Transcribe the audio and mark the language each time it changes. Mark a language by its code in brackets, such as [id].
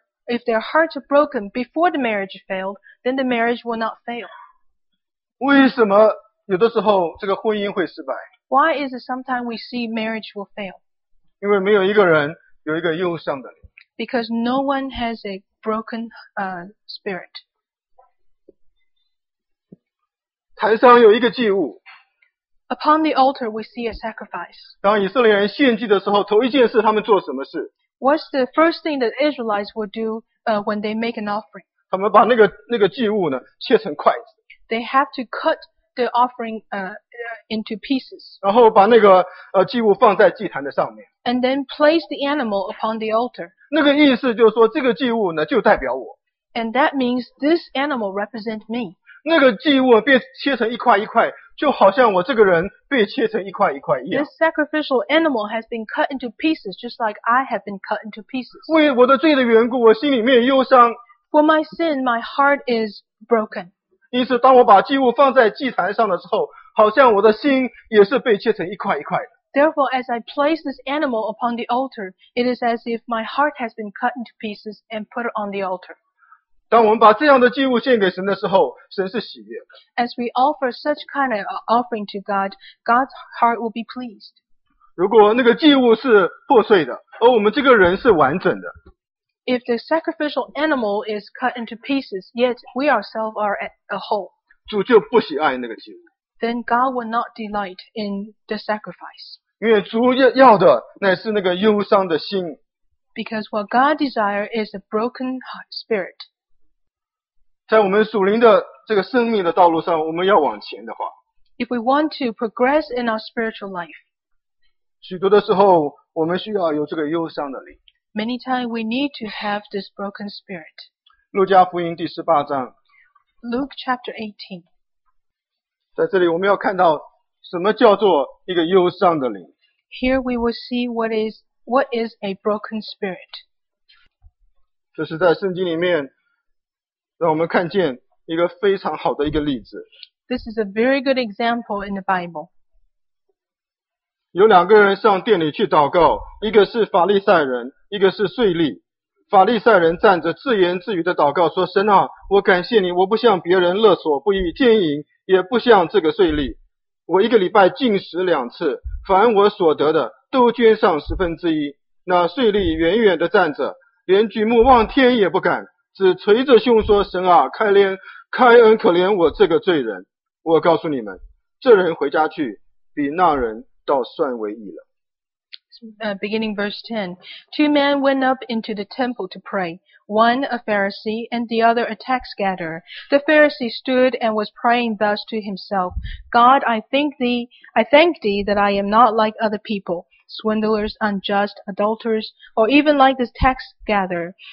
[en] If their hearts are broken before the marriage failed, then the marriage will not fail. [zh] 为什么有的时候这个婚姻会失败？ [en] Why is it sometimes we see marriage will fail? [zh] 因为没有一个人有一个忧伤的灵。 [en] Because no one has a broken spirit. [zh] 坛上有一个祭物。 [en] Upon the altar, we see a sacrifice. [zh] 当以色列人献祭的时候，头一件事他们做什么事？ [en] What's the first thing that Israelites would do when they make an offering? [zh] 他们把那个祭物呢切成块子。 [en] They have to cut the offering into pieces. [zh] 然后把那个祭物放在祭坛的上面。 [en] And then place the animal upon the altar. [zh] 那个意思就是说，这个祭物呢就代表我。 [en] And that means this animal represents me. [zh] 那个祭物被切成一块一块。就好像我这个人被切成一块一块一样。 [en] This sacrificial animal has been cut into pieces, just like I have been cut into pieces. [zh] 为我的罪的缘故，我心里面忧伤。 [en] For my sin, my heart is broken. [zh] 因此，当我把祭物放在祭坛上的时候，好像我的心也是被切成一块一块的。 [en] Therefore, as I place this animal upon the altar, it is as if my heart has been cut into pieces and put on the altar. [zh] 当我们把这样的祭物献给神的时候，神是喜悦的。 [en] As we offer such kind of offering to God, God's heart will be pleased. [zh] 如果那个祭物是破碎的，而我们这个人是完整的。 [en] If the sacrificial animal is cut into pieces, yet we ourselves are a whole. [zh] 主就不喜爱那个祭物。 [en] Then God will not delight in the sacrifice. [zh] 因为主要的乃是那个忧伤的心。 [en] Because what God desires is a broken spirit. [zh] 在我们属灵的这个生命的道路上，我们要往前的话， [en] If we want to progress in our spiritual life, [zh] 许多的时候我们需要有这个忧伤的灵。 [en] Many times we need to have this broken spirit. [zh] 路加福音第十八章。 [en] Luke chapter 18. [zh] 在这里我们要看到什么叫做一个忧伤的灵。 [en] Here we will see what is a broken spirit. [zh] 这是在圣经里面让我们看见一个非常好的一个例子。 [en] This is a very good example in the Bible. [zh] 有两个人上殿里去祷告，一个是法利赛人，一个是税吏。法利赛人站着自言自语的祷告说，神啊，我感谢你，我不像别人勒索不义奸淫，也不像这个税吏，我一个礼拜禁食两次，凡我所得的都捐上十分之一。那税吏远远的站着，连举目望天也不敢，只垂着胸说，神啊，开怜开恩，可怜我这个罪人。我告诉你们，这人回家去比那人倒算为义了。 [en] Beginning verse 10. Two men went up into the temple to pray, one a Pharisee and the other a tax gatherer. The Pharisee stood and was praying thus to himself, God, I thank thee that I am not like other people, swindlers, unjust, adulterers, or even like this tax gatherer.